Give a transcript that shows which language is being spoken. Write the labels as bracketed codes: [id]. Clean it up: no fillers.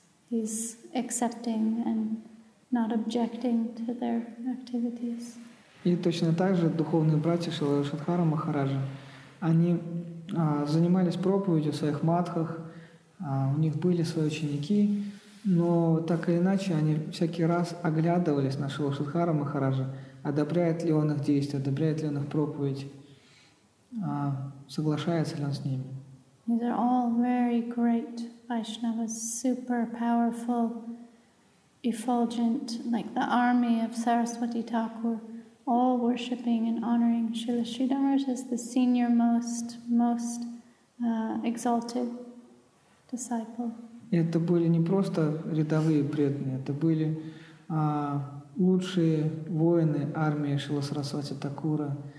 [en] He's accepting and not objecting to their activities. [ru] И точно так же духовные братья Шрилы Шридхара Махараджа, они занимались проповедью в своих матхах, у них были свои ученики, но так или иначе они всякий раз оглядывались на Шрилу Шридхара Махараджа, одобряет ли он их действия, одобряет ли он их проповедь, соглашается ли он с ними. [en] These are all very great Vaishnavas, super powerful, effulgent, like the army of Saraswati Thakur, all worshipping and honoring Srila Sridhar Maharaj as the senior most exalted disciple. [ru] И это были не просто рядовые преданные, это были лучшие воины армии Шрилы Сарасвати Такура.